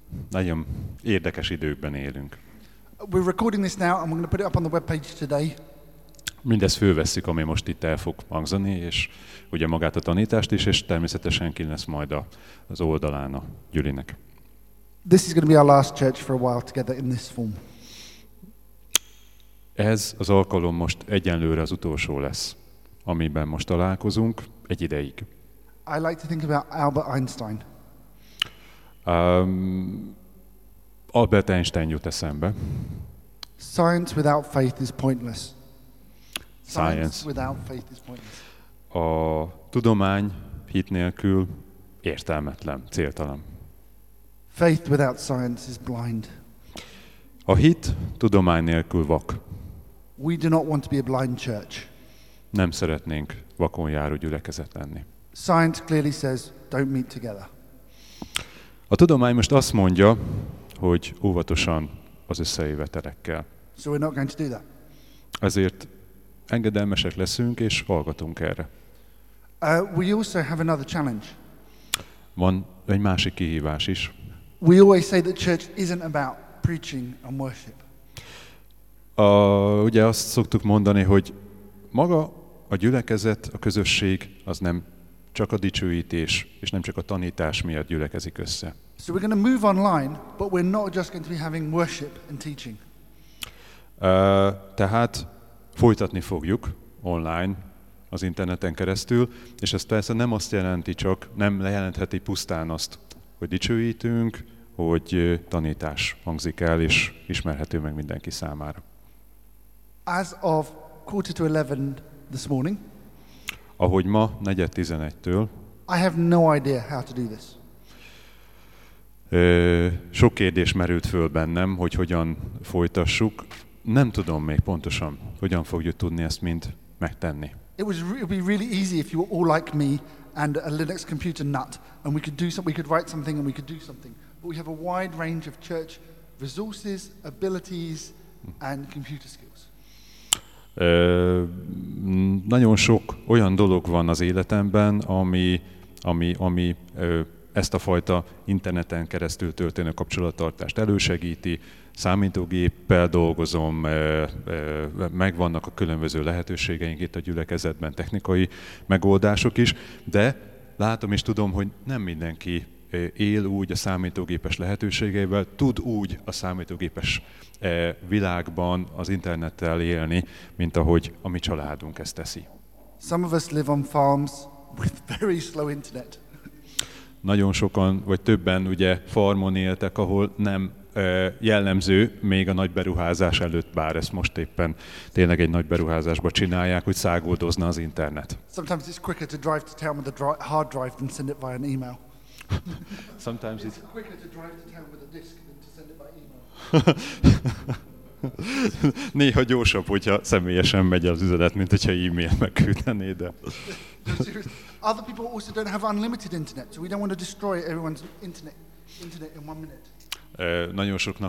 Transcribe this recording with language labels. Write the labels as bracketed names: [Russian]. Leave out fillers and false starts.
[Hungarian] Nagyon érdekes időkben élünk. [English] We're recording this now, and we're going to put it up on the webpage today. [Hungarian] Mindezt fölvesszük, ami most itt el fog hangzani, és ugye magát a tanítást is, és természetesen ki lesz majd az oldalán a Gyülinek. [English] This is going to be our last church for a while together in this form. [Hungarian] Ez az alkalom most egyenlőre az utolsó lesz, amiben most találkozunk egy ideig. [English] I like to think about Albert Einstein. [Hungarian] Albert Einstein jut eszembe. [English] Science without faith is pointless. Science without faith is pointless. [Hungarian] A tudomány hit nélkül értelmetlen, céltalan. [English] Faith without science is blind. [Hungarian] A hit tudomány nélkül vak. [English] We do not want to be a blind church. [Hungarian] Nem szeretnénk vakon járó gyülekezet lenni. [English] Science clearly says, don't meet together. [Hungarian] A tudomány most azt mondja, hogy óvatosan az összejövetelekkel. [English] So we're not going to do that. [Hungarian] Ezért engedelmesek leszünk és hallgatunk erre. [English] We also have another challenge. [Hungarian] Van egy másik kihívás is. [English] We always say that church isn't about preaching and worship. [Hungarian] Ugye azt szoktuk mondani, hogy maga a gyülekezet, a közösség az nem csak a dicsőítés és nem csak a tanítás miatt gyülekezik össze. [English] So we're going to move online, but we're not just going to be having worship and teaching. [Hungarian] Tehát folytatni fogjuk online, az interneten keresztül, és ez persze nem azt jelenti csak, nem lejelentheti pusztán azt, hogy dicsőítünk, hogy tanítás hangzik el és ismerhető meg mindenki számára. [English] As of 10:45 this morning. [Hungarian] Ahogy ma 10:45-től. [English] I have no idea how to do this. [Hungarian] Sok kérdés merült föl bennem, hogy hogyan folytassuk. Nem tudom még pontosan, hogyan fogjuk tudni ezt mind megtenni. [English] It would be really easy if you were all like me and a Linux computer nut, and we could do something, we could write something, and we could do something. But we have a wide range of church resources, abilities, and computer skills. [Hungarian] Nagyon sok olyan dolog van az életemben, ami ezt a fajta interneten keresztül történő kapcsolattartást elősegíti. Számítógéppel dolgozom, megvannak a különböző lehetőségeink itt a gyülekezetben, technikai megoldások is, de látom és tudom, hogy nem mindenki él úgy a számítógépes lehetőségeivel, tud úgy a számítógépes világban az internettel élni, mint ahogy a mi családunk ezt teszi. [English] Some of us live on farms with very slow internet. [Hungarian] Nagyon sokan, vagy többen ugye farmon éltek, ahol nem jellemző még a nagy beruházás előtt, bár ezt most éppen tényleg egy nagy beruházásba csinálják, hogy szágoldozna az internet. [English] Sometimes it's quicker to drive to town with a hard drive than send it via an email. Sometimes it's quicker to drive to town with a disk than to send it by email. [Hungarian] Néha gyorsabb, hogyha személyesen megy az üzenet, mint hogyha e-mail megküldené, de... [English] Other people also don't have unlimited internet, so we don't want to destroy everyone's internet in one minute.